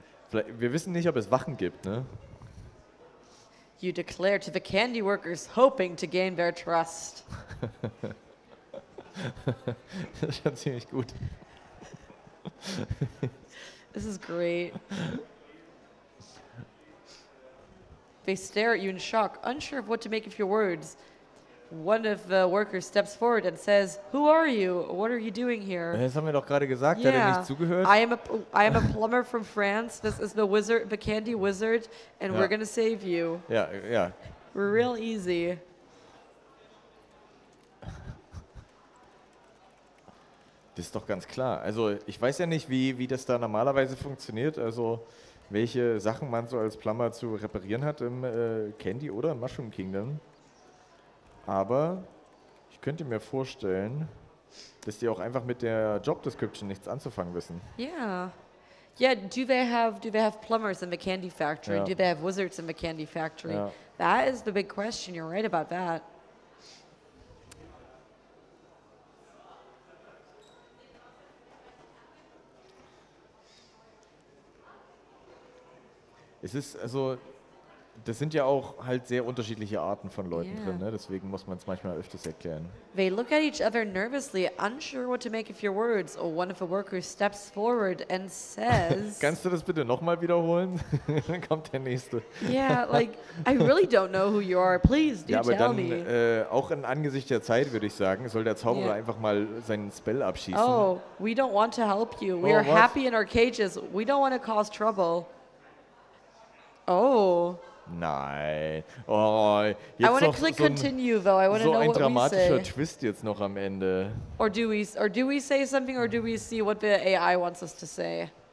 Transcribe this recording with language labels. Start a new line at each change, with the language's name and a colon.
German: Vielleicht, wir wissen nicht, ob es Wachen gibt, ne?
English: You declare to the candy workers, hoping to gain their trust.
German: Das ist schon ziemlich gut.
English: This is great. They stare at you in shock, unsure of what to make of your words. One of the workers steps forward and says, who are you? What are you doing here?
German: Das haben wir doch gerade gesagt, hat er nicht zugehört?
English: I am a plumber from France. This is the wizard, the candy wizard, and we're going to save you. Yeah. We're real easy.
German: Das ist doch ganz klar. Also, ich weiß ja nicht, wie das da normalerweise funktioniert. Also, welche Sachen man so als Plumber zu reparieren hat im Candy oder im Mushroom Kingdom. Aber ich könnte mir vorstellen, dass die auch einfach mit der Job Description nichts anzufangen wissen.
English: Yeah, do they have plumbers in the candy factory? Ja. Do they have wizards in the candy factory? Ja. That is the big question, you're right about that.
German: Es ist, also, das sind ja auch halt sehr unterschiedliche Arten von Leuten drin, ne? Deswegen muss man es manchmal öfters erklären.
English: They look at each other nervously, unsure what to make of your words. Oh, one of the workers steps forward and says...
German: Kannst du das bitte nochmal wiederholen? Dann kommt der Nächste.
English: Yeah, like, I really don't know who you are. Please, do tell me.
German: Ja, aber dann, auch in Angesicht der Zeit, würde ich sagen, soll der Zauberer einfach mal seinen Spell abschießen.
English: Oh, we don't want to help you. We are happy in our cages. We don't want to cause trouble. Oh.
German: Nein. Oh,
English: jetzt I want to click continue, though. I want to so know what we say.
German: So ein dramatischer Twist jetzt noch am Ende.
English: Or do we say something, or do we see what the AI wants us to say?